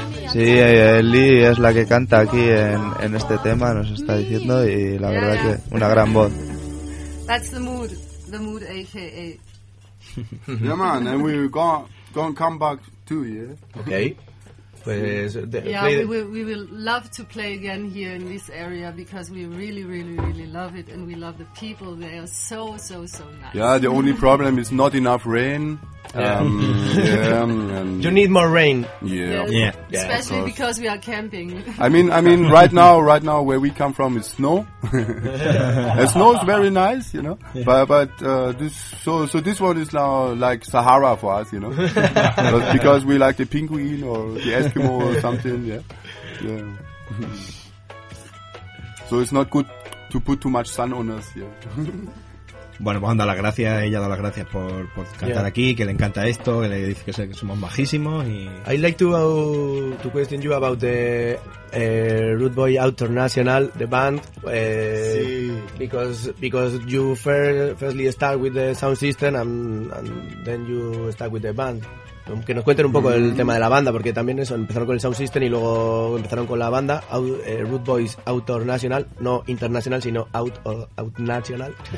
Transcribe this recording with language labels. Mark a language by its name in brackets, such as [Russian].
[Spanish] Sí, Lee es la que canta aquí en este tema, nos está diciendo, y la verdad que una gran voz. [English] That's the mood, a.k.a. Yeah, man, and we're gonna come back too, yeah? [Spanish] Okay. Pues, [English] we will love to play again here in this area because we really, really, really love it and we love the people. They are so, so, so nice. Yeah, the only problem is not enough rain. And you need more rain. Yeah. Yeah. Yeah. Especially because we are camping. I mean, right now where we come from is snow. And snow is very nice, you know. Yeah. But this this one is now like Sahara for us, you know. Because we like the penguin or the Eskimo or something, yeah. Yeah. So it's not good to put too much sun on us, yeah. [Spanish] Bueno, pues han dado las gracias, ella ha dado las gracias por cantar aquí, que le encanta esto, que le dice que somos majísimos y... [English] I'd like to question you about the Rude Boy International, the band. [Spanish] Sí. [English] Because you firstly start with the sound system and then you start with the band. [Spanish] Que nos cuenten un poco el tema de la banda, porque también eso, empezaron con el sound system y luego empezaron con la banda, Rude Boys Out or National, no internacional, sino Out or Out National.